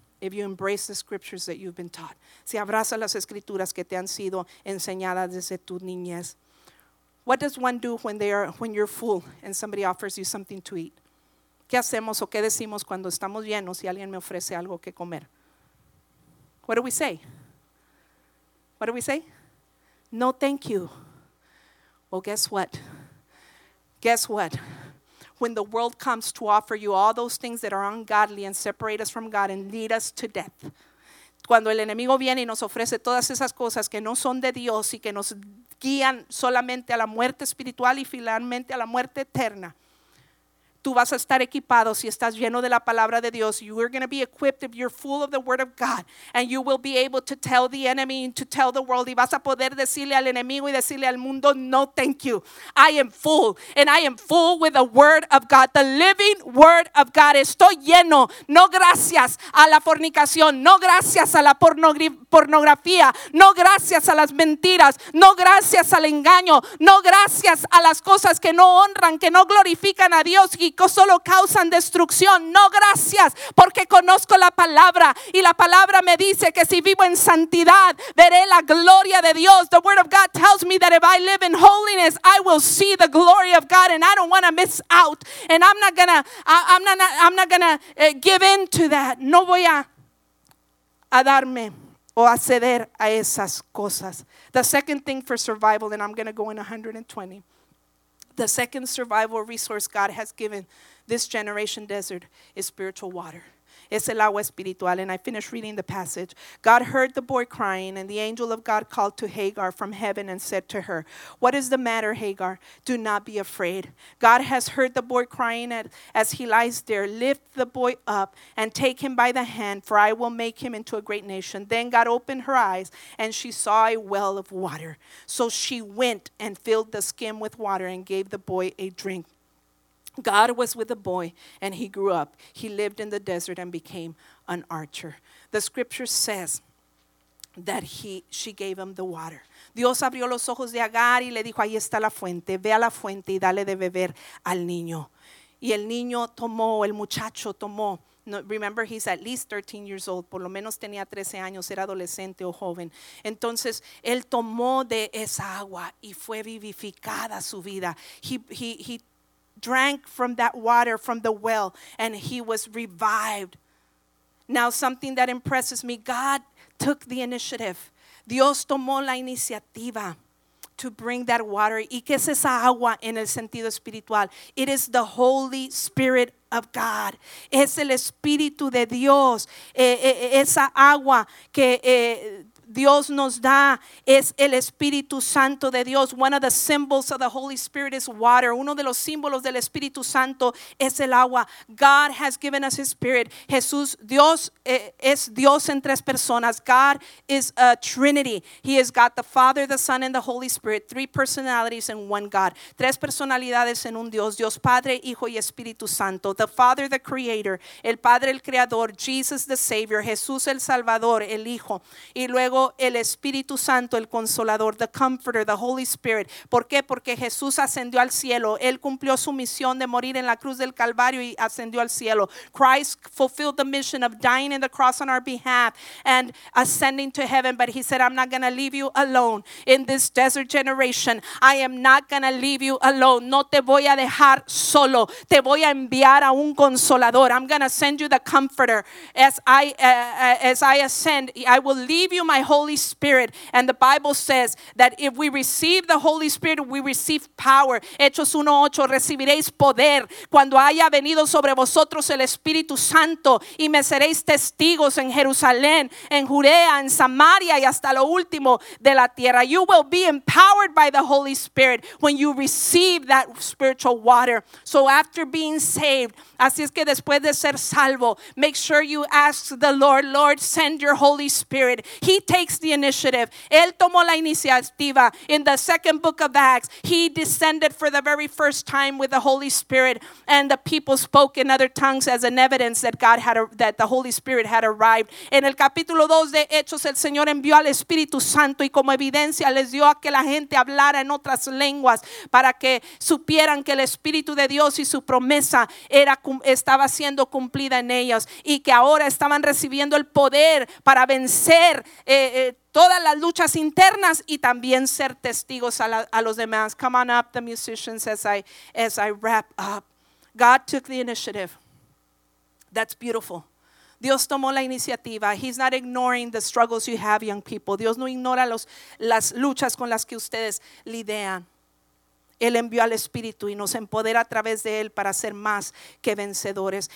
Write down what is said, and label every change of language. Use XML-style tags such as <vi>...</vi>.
<en>If you embrace the scriptures that you've been taught.</en> <es>Si abrazas las escrituras que te han sido enseñadas desde tu niñez.</es> <en>What does one do when you're full and somebody offers you something to eat?</en> <es>¿Qué hacemos o qué decimos cuando estamos llenos y alguien me ofrece algo que comer?</es> <en>What do we say? What do we say? No, thank you. Well, guess what? Guess what? When the world comes to offer you all those things that are ungodly and separate us from God and lead us to death.</en> <es>Cuando el enemigo viene y nos ofrece todas esas cosas que no son de Dios y que nos guían solamente a la muerte espiritual y finalmente a la muerte eterna. Tú vas a estar equipado si estás lleno de la palabra de Dios.</es> <en>You are going to be equipped if you're full of the word of God. And you will be able to tell the enemy and to tell the world.</en> <es>Y vas a poder decirle al enemigo y decirle al mundo,</es> <en>no, thank you. I am full. And I am full with the word of God. The living word of God.</en> <es>Estoy lleno. No gracias a la fornicación. No gracias a la pornografía. No gracias a las mentiras. No gracias al engaño. No gracias a las cosas que no honran, que no glorifican a Dios. Y solo causan destrucción. No gracias, porque conozco la palabra y la palabra me dice que si vivo en santidad veré la gloria de Dios.</es> <en>The word of God tells me that if I live in holiness I will see the glory of God, and I don't want to miss out, and I'm not gonna give in to that.</en> <es>No voy a darme o a ceder a esas cosas.</es> <en>The second thing for survival, and I'm gonna go in 120. The second survival resource God has given this generation desert is spiritual water.</en> <es>Es el agua espiritual.</es> <en>And I finish reading the passage. God heard the boy crying, and the angel of God called to Hagar from heaven and said to her, "What is the matter, Hagar? Do not be afraid. God has heard the boy crying as he lies there. Lift the boy up and take him by the hand, for I will make him into a great nation." Then God opened her eyes, and she saw a well of water. So she went and filled the skin with water and gave the boy a drink. God was with the boy, and he grew up. He lived in the desert and became an archer. The scripture says that she gave him the water.</en> <es>Dios abrió los ojos de Agar y le dijo, ahí está la fuente. Ve a la fuente y dale de beber al niño. Y el niño tomó, el muchacho tomó.</es> <en>No, remember, he's at least 13 years old.</en> <es>Por lo menos tenía 13 años, era adolescente o joven. Entonces, él tomó de esa agua y fue vivificada su vida.</es> <en>He drank from that water, from the well, and he was revived. Now, something that impresses me, God took the initiative.</en> <es>Dios tomó la iniciativa</es> <en>to bring that water.</en> <es>¿Y qué es esa agua en el sentido espiritual?</es> <en>It is the Holy Spirit of God.</en> <es>Es el Espíritu de Dios. Esa agua que Dios nos da es el Espíritu Santo de Dios.</es> <en>One of the symbols of the Holy Spirit is water.</en> <es>Uno de los símbolos del Espíritu Santo es el agua.</es> <en>God has given us his Spirit.</en> <es>Jesús, Dios es Dios en tres personas.</es> <en>God is a Trinity. He has got the Father, the Son, and the Holy Spirit. Three personalities in one God.</en> <es>Tres personalidades en un Dios. Dios Padre, Hijo y Espíritu Santo.</es> <en>The Father, the Creator.</en> <es>El Padre, el Creador.</es> <en>Jesus, the Savior.</en> <es>Jesús, el Salvador, el Hijo. Y luego el Espíritu Santo, el Consolador,</es> <en>the Comforter, the Holy Spirit.</en> <es>¿Por qué? Porque Jesús ascendió al cielo. Él cumplió su misión de morir en la cruz del Calvario y ascendió al cielo.</es> <en>Christ fulfilled the mission of dying in the cross on our behalf and ascending to heaven. But he said, I'm not going to leave you alone in this desert generation. I am not going to leave you alone.</en> <es>No te voy a dejar solo. Te voy a enviar a un Consolador.</es> <en>I'm going to send you the Comforter. As I ascend, I will leave you my Holy Spirit. And the Bible says that if we receive the Holy Spirit, we receive power.</en> <es>Hechos 1:8, recibiréis poder cuando haya venido sobre vosotros el Espíritu Santo y me seréis testigos en Jerusalén, en Judea, en Samaria y hasta lo último de la tierra.</es> <en>You will be empowered by the Holy Spirit when you receive that spiritual water. So after being saved,</en> <es>así es que después de ser salvo,</es> <en>make sure you ask the Lord, Lord, send your Holy Spirit. He takes the initiative.</en> <es>Él tomó la iniciativa.</es> <en>In the second book of Acts, he descended for the very first time with the Holy Spirit, and the people spoke in other tongues as an evidence that God had, that the Holy Spirit had arrived.</en> <es>En el capítulo 2 de Hechos, el Señor envió al Espíritu Santo y como evidencia les dio a que la gente hablara en otras lenguas para que supieran que el Espíritu de Dios y su promesa estaba siendo cumplida en ellos y que ahora estaban recibiendo el poder para vencer todas las luchas internas y también ser testigos a los demás.</es> <en>Come on up, the musicians, as I wrap up. God took the initiative. That's beautiful.</en> <es>Dios tomó la iniciativa.</es> <en>He's not ignoring the struggles you have, young people.</en> <es>Dios no ignora las luchas con las que ustedes lidian. Él envió al Espíritu y nos empodera a través de Él para ser más que vencedores.</es>